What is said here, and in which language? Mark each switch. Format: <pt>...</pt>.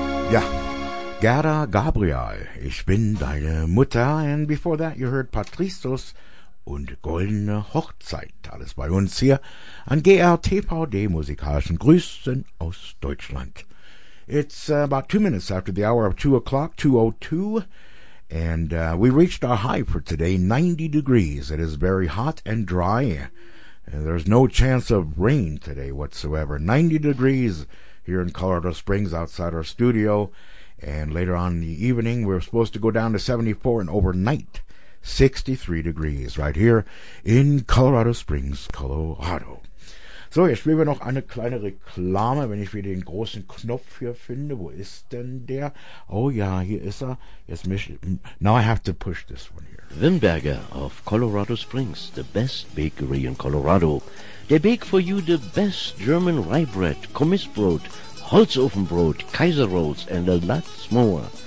<de>Ja. Gerda Gabriel, ich bin deine Mutter.</de> <en>And before that, you heard Patricios und Goldene Hochzeit.</en> <de>Alles bei uns hier an GRTVD, musikalischen Grüßen aus Deutschland.</de> <en>It's about 2 minutes after the hour of 2 o'clock, 2:02, and we reached our high for today, 90 degrees. It is very hot and dry. And there's no chance of rain today whatsoever. 90 degrees here in Colorado Springs outside our studio. And later on in the evening, we're supposed to go down to 74, and overnight, 63 degrees, right here in Colorado Springs, Colorado.</en> <de>So, jetzt will ich noch eine kleine Reklame, wenn ich wieder den großen Knopf hier finde. Wo ist denn der? Oh ja, hier ist er.</de> <en>Jetzt now I have to push this one here. Wimberger of Colorado Springs, the best bakery in Colorado. They bake for you the best German rye bread, Kommissbrot, Holzofenbrot, Kaiser Rolls, and a lot more.</en>